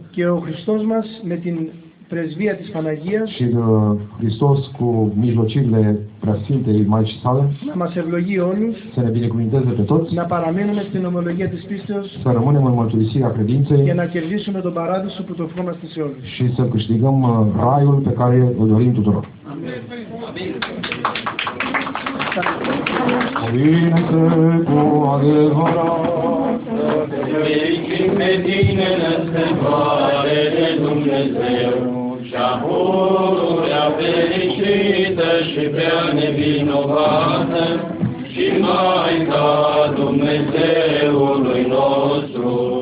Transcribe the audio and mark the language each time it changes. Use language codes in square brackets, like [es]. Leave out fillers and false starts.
[el] Και ο Χριστός μας με την πρεσβεία της Παναγίας. [ro] Și Χριστός cu mijlocirile Preasfintei Maicii Sale. [el] Να μας ευλογεί όλους. [ro] Să ne binecuvinteze pe toți. [el] Να παραμείνουμε στην ομολογία της πίστεως. [ro] Să rămânem în mărturisirea credinței. [el] Και να κερδίσουμε τον παράδεισο που το ευχόμαστε σε όλους. [ro] Și să câștigăm raiul pe care îl dorim tuturor. Părinte, cu adevărat, să te fericim pe tine nesemplare de Dumnezeu, și-a pururea fericită și prea nevinovată, și Maica Dumnezeului nostru,